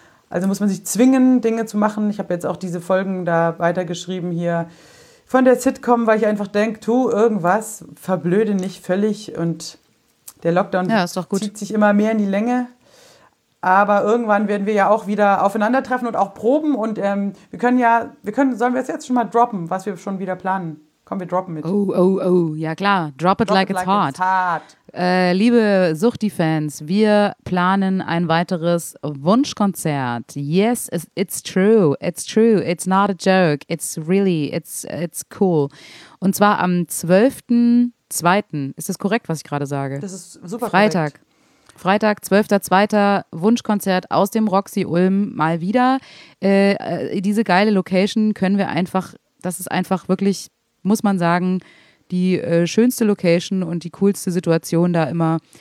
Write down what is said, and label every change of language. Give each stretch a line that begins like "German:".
German: Also muss man sich zwingen, Dinge zu machen. Ich habe jetzt auch diese Folgen da weitergeschrieben hier von der Sitcom, weil ich einfach denke, tu irgendwas, verblöde nicht völlig und der Lockdown zieht sich immer mehr in die Länge. Aber irgendwann werden wir ja auch wieder aufeinandertreffen und auch proben und sollen wir es jetzt schon mal droppen, was wir schon wieder planen? Komm, wir droppen mit. Oh, ja klar,
English: drop it like it's hot.
German: Liebe Suchti-Fans, wir planen ein weiteres Wunschkonzert.
English: Yes, it's true, it's not a joke, it's really cool.
German: Und zwar am 12.2., ist das korrekt, was ich gerade sage? Das ist super Freitag. Korrekt. Freitag, 12.2. Wunschkonzert aus dem Roxy Ulm mal wieder. Diese geile Location können wir einfach, das ist einfach wirklich, muss man sagen, die schönste Location und die coolste Situation da immer.